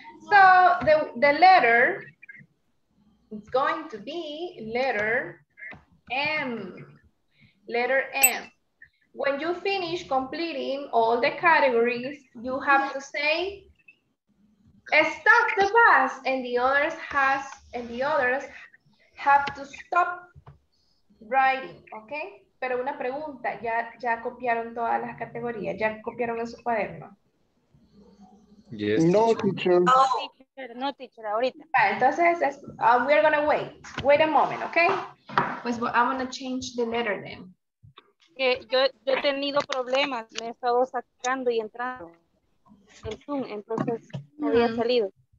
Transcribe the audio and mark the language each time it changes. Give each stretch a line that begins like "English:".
English: So the letter, it's going to be letter M. Letter M. When you finish completing all the categories, you have to say, stop the bus, and the others have to stop writing, okay?
Spanish: Pero una pregunta, ¿ya copiaron todas las categorías? ¿Ya copiaron en su cuaderno?
English: Yes. No, teacher. No, teacher, no, teacher,
Spanish: ahorita. Ah, entonces,
English: we are going to wait a moment, okay?
Spanish: Pues,
English: I'm going to change the letter then.
Spanish: Yo he tenido problemas, me he estado sacando y entrando en Zoom, entonces me había salido.